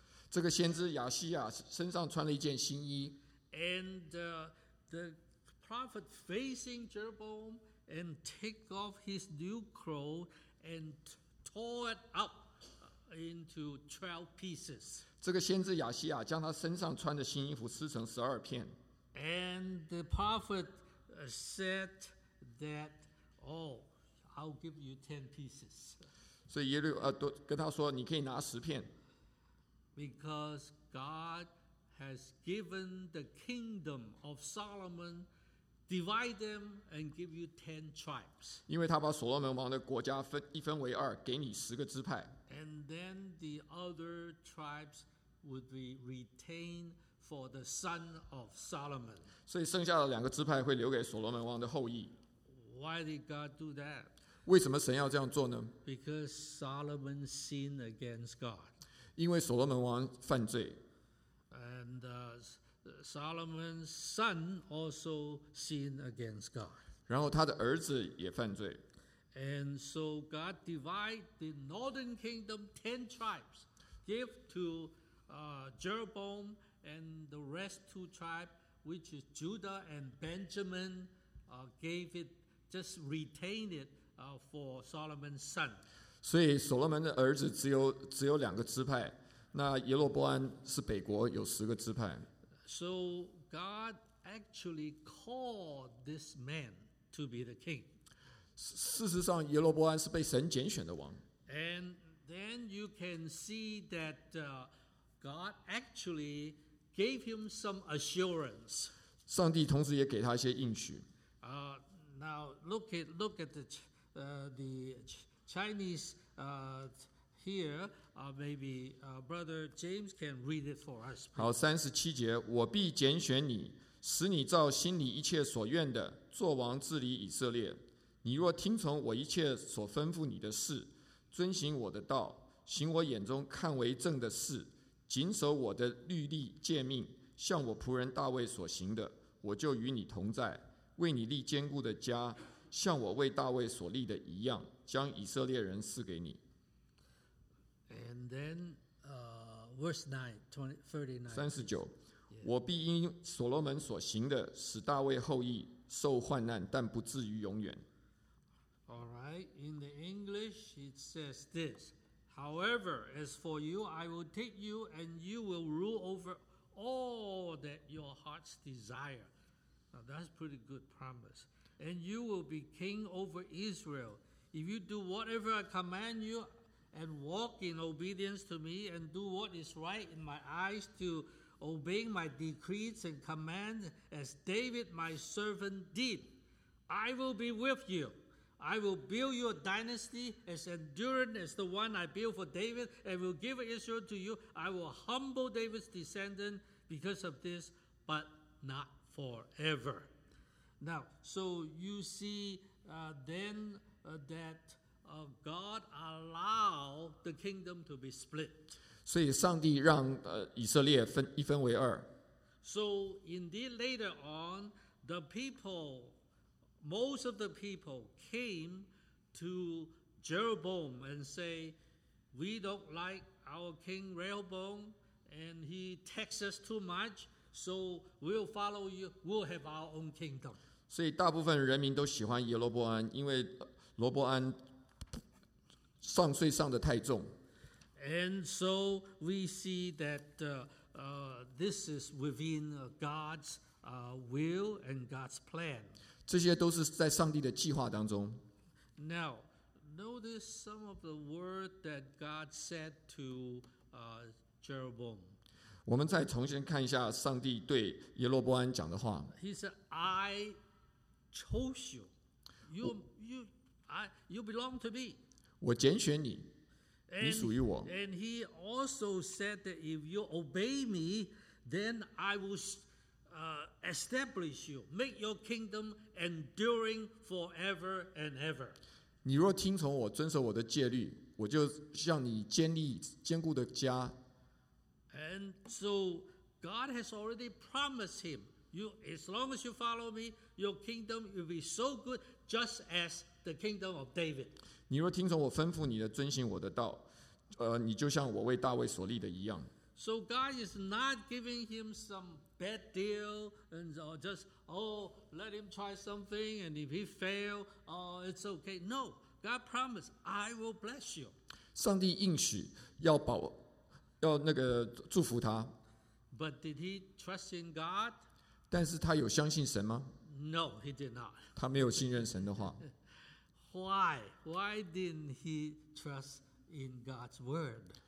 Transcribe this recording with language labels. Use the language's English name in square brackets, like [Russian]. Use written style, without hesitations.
[Chinese] 这个先知亚西亚身上穿了一件新衣。 [English] And the prophet facing Jeroboam and take off his new coat and tore it up into 12 pieces. [Chinese] 这个先知亚西亚将他身上穿的新衣服撕成十二片。 [English] And the prophet said that, "Oh, I'll give you 10 pieces." [Chinese] 所以耶利都跟他说，你可以拿十片。 [English] Because God has given the kingdom of Solomon, divide them and give you 10 tribes. [Chinese] 因为他把所罗门王的国家分一分为二，给你十个支派。 [English] And then the other tribes would be retained for the son of Solomon. [Chinese] 所以剩下的两个支派会留给所罗门王的后裔。 [English] Why did God do that? [Chinese] 为什么神要这样做呢？ [English] Because Solomon sinned against God. [Chinese] 因为所罗门王犯罪。 [English] And Solomon's son also sinned against God. [Chinese] 然后他的儿子也犯罪。 [English] And so God divided the northern kingdom 10 tribes, gave to Jeroboam and the rest two tribes, which is Judah and Benjamin, gave it, just retained it for Solomon's son. [Chinese] 所以所罗门的儿子只有两个支派，那耶罗波安是北国有十个支派。 [English] So God actually called this man to be the king. [Chinese] 事实上，耶罗波安是被神拣选的王。 [English] And then you can see that God actually gave him some assurance. [Chinese] 上帝同时也给他一些应许。 [English] Now look at the Chinese here. Maybe Brother James can read it for us. [Chinese] 好，三十七节，我必拣选你，使你照心里一切所愿的，作王治理以色列。你若听从我一切所吩咐你的事，遵行我的道，行我眼中看为正的事，谨守我的律例诫命，像我仆人大卫所行的，我就与你同在，为你立坚固的家，像我为大卫所立的一样，将以色列人赐给你。 [English] And then, verse 9, 39. [Chinese] 39, 我必因所罗门所行的，使大卫后裔受患难，但不至于永远。 [English] All right, in the English, it says this. However, as for you, I will take you and you will rule over all that your hearts desire. Now, that's a pretty good promise. And you will be king over Israel. If you do whatever I command you and walk in obedience to me and do what is right in my eyes to obey my decrees and commands as David my servant did, I will be with you. I will build your dynasty as enduring as the one I built for David and will give Israel to you. I will humble David's descendant because of this, but not forever. Now, so you see God allowed the kingdom to be split. [Chinese] 所以上帝让以色列分一分为二。 [English] So indeed later on, the peoplemost of the people came to Jeroboam and say, we don't like our king Rehoboam, and he taxes us too much, so we'll follow you, we'll have our own kingdom. [Chinese] 所以大部分人民都喜欢耶罗波安，因为罗波安上税上的太重。 [English] And so we see that this is within God's will and God's plan. [Chinese] 这些都是在上帝的计划当中。 [English] Now, notice some of the word that God said to Jeroboam. [Chinese] 我们再重新看一下上帝对耶罗波安讲的话。 [English] He said, "I chose you. You belong to me." [Chinese] 我拣选你，你属于我。 [English] And he also said that if you obey me, then I will establish you, make your kingdom enduring forever and ever. [Chinese] 你若听从我，遵守我的戒律，我就向你建立坚固的家。 [English] And so God has already promised him, you, as long as you follow me, your kingdom will be so good, just as the kingdom of David. [Chinese] 你若听从我吩咐你的，遵行我的道，你就像我为大卫所立的一样。 [English] So God is not giving him some bad deal and just, oh, let him try something and if he fail, it's okay. No, God promised, I will bless you. [Chinese] 上帝应许要那个祝福他。 [English] But did he trust in God? [Chinese] 但是他有相信神吗？ [English] No, he did not. [Chinese] 他没有信任神的话。 [English] Why? Why didn't he trust in God's word?